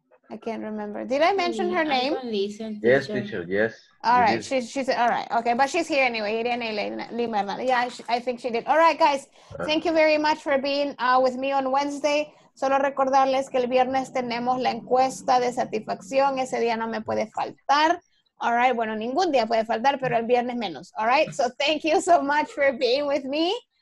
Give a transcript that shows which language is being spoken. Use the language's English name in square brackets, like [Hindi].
[English] I can't remember. Did I mention her name? Yes, teacher, yes. All right, she's all right. Okay, but she's here anyway. Irene Lima. Yeah, I think she did. All right, guys. Thank you very much for being with me on Wednesday. [Spanish] Solo recordarles que el viernes tenemos la encuesta de satisfacción. Ese día no me puede faltar. All right, bueno, ningún día puede faltar, pero el viernes menos. [English] All right, so thank you so much for being with me.